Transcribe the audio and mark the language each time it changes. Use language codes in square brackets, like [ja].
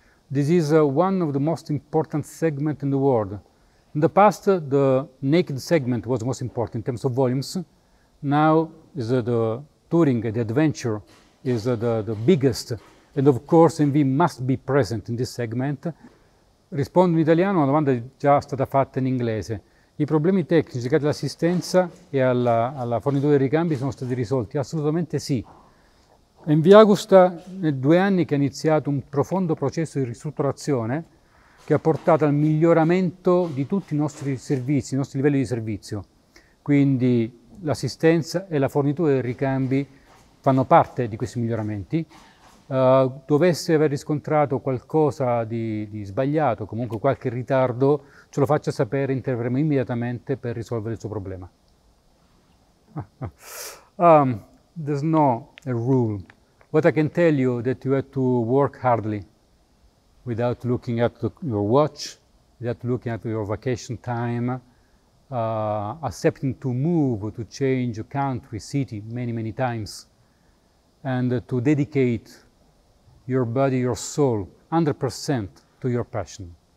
[en] This is one of the most important segments in the world. In the past, the naked segment was most important in terms of volumes. Now is the touring, the adventure is the biggest. And of course, MV must be present in this segment. [it] Rispondo in italiano a una domanda già stata fatta in inglese. I problemi tecnici legati all'assistenza e alla fornitura dei ricambi sono stati risolti? Assolutamente sì. MV Agusta è 2 anni che ha iniziato un profondo processo di ristrutturazione che ha portato al miglioramento di tutti i nostri servizi, i nostri livelli di servizio. Quindi l'assistenza e la fornitura dei ricambi fanno parte di questi miglioramenti. Dovesse aver riscontrato qualcosa di sbagliato, comunque qualche ritardo, ce lo faccia sapere, interverremo immediatamente per risolvere il suo problema. [en] There's no a rule. What I can tell you that you have to work hardly without looking at your watch, without looking at your vacation time, accepting to move, to change country, city many, many times, and to dedicate your body, your soul, 100% to your passion.